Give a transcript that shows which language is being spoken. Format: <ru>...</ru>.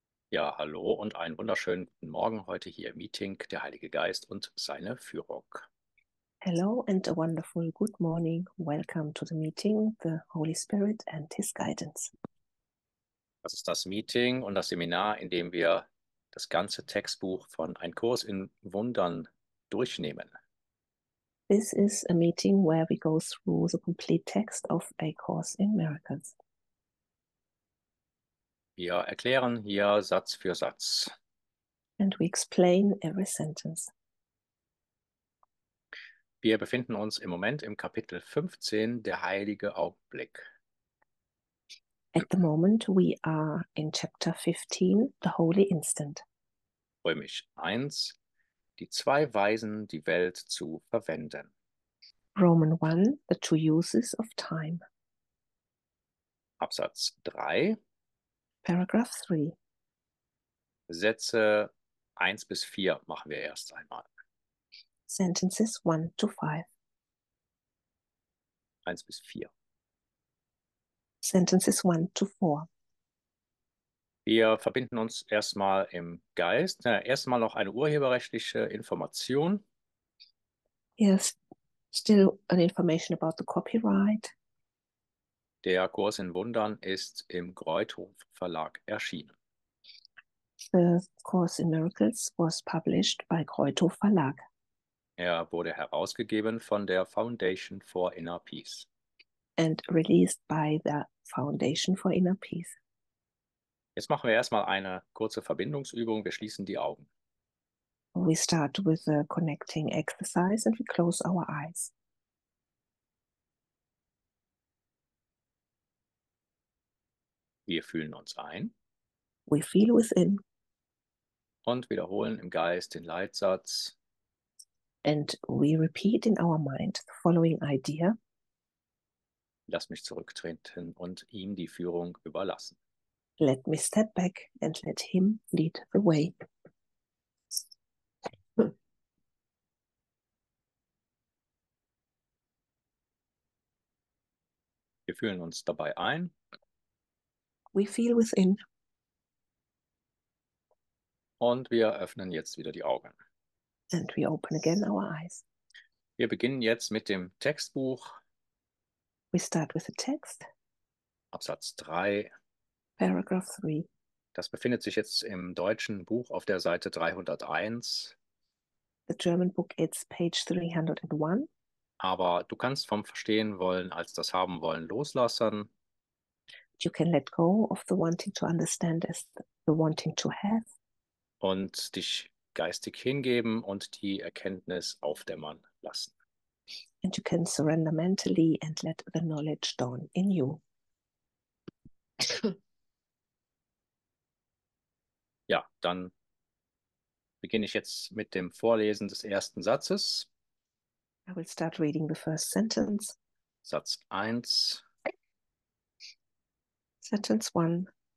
<de>Ja, hallo und einen wunderschönen guten Morgen heute hier im Meeting, der Heilige Geist und seine Führung.</de> <en>Hello and a wonderful good morning. Welcome to the meeting, the Holy Spirit and his guidance.</en> <de>Das ist das Meeting und das Seminar, in dem wir das ganze Textbuch von Ein Kurs in Wundern durchnehmen.</de> <en>This is a meeting where we go through the complete text of A Course in Miracles.</en> <de>Wir erklären hier Satz für Satz.</de> <en>And we explain every sentence.</en> <de>Wir befinden uns im Moment im Kapitel 15, der heilige Augenblick.</de> <en>At the moment we are in chapter 15, the holy instant.</en> <de>Römisch 1, die zwei Weisen, die Welt zu verwenden.</de> <en>Roman 1, the two uses of time.</en> <de>Absatz 3.</de> <en>Paragraph 3.</en> <de>Sätze 1 bis 4 machen wir erst einmal.</de> <en>Sentences 1 to 5.</en> <de>1 bis 4.</de> <en>Sentences 1 to 4.</en> <de>Wir verbinden uns erstmal im Geist. Erstmal noch eine urheberrechtliche Information.</de> <en>Yes, still an information about the copyright.</en> <de>Der Kurs in Wundern ist im Greuthof Verlag erschienen.</de> <en>The Course in Miracles was published by Kreuthof Verlag.</en> <de>Er wurde herausgegeben von der Foundation for Inner Peace.</de> <en>And released by the Foundation for Inner Peace.</en> <de>Jetzt machen wir erstmal eine kurze Verbindungsübung. Wir schließen die Augen.</de> <en>We start with a connecting exercise and we close our eyes.</en> <de>Wir fühlen uns ein</de> <en>We feel within.</en> <de>und wiederholen im Geist den Leitsatz.</de> <en>And we repeat in our mind the following idea.</en> <de>Lass mich zurücktreten und ihm die Führung überlassen.</de> <en>Let me step back and let him lead the way.</en> <de>Wir fühlen uns dabei ein</de> <en>We feel within.</en> <de>und wir öffnen jetzt wieder die Augen.</de> <en>And we open again our eyes.</en> <de>Wir beginnen jetzt mit dem Textbuch.</de> <en>We start with the text.</en> <de>Absatz 3.</de> <en>Paragraph 3.</en> <de>Das befindet sich jetzt im deutschen Buch auf der Seite 301.</de> <en>The German book is page 301.</en> <de>Aber du kannst vom Verstehen wollen als das Haben wollen loslassen.</de> <en>You can let go of the wanting to understand as the wanting to have.</en> <de>Und dich geistig hingeben und die Erkenntnis aufdämmern lassen.</de> <en>And you can surrender mentally and let the knowledge dawn in you.</en> <de>Ja, dann beginne ich jetzt mit dem Vorlesen des ersten Satzes.</de> <en>I will start reading the first sentence.</en> <de>Satz 1.</de> <en>Sentence 1.</en>